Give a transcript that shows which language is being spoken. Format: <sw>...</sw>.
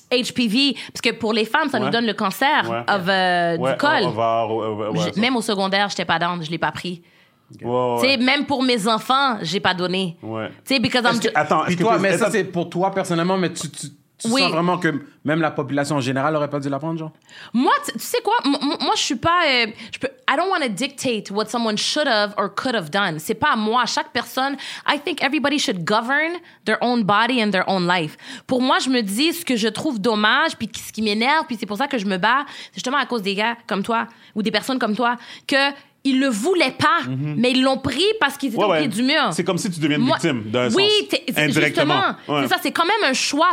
<fr>HPV, parce que pour les femmes, ça nous donne le cancer du col. Même au secondaire, j'étais pas dans, je l'ai pas pris. Tu sais, même pour mes enfants, j'ai pas donné. Tu sais,</fr> <en>because I'm...</en> <fr>Attends, mais ça, c'est pour toi, personnellement, mais tu... Tu sens vraiment que même la population en général aurait pas dû l'apprendre, genre? Moi, tu sais quoi? Moi, je suis pas...</fr> <en>I don't want to dictate what someone should have or could have done.</en> <fr>C'est pas à moi. Chaque personne...</fr> <en>I think everybody should govern their own body and their own life.</en> <fr>Pour moi, je me dis ce que je trouve dommage puis ce qui m'énerve, puis c'est pour ça que je me bats. C'est justement à cause des gars comme toi ou des personnes comme toi que... Ils le voulaient pas, mais ils l'ont pris parce qu'ils étaient au pied du mur. C'est comme si tu deviens victime d'un sens. Oui, indirectement. C'est ça, c'est quand même un choix.</fr>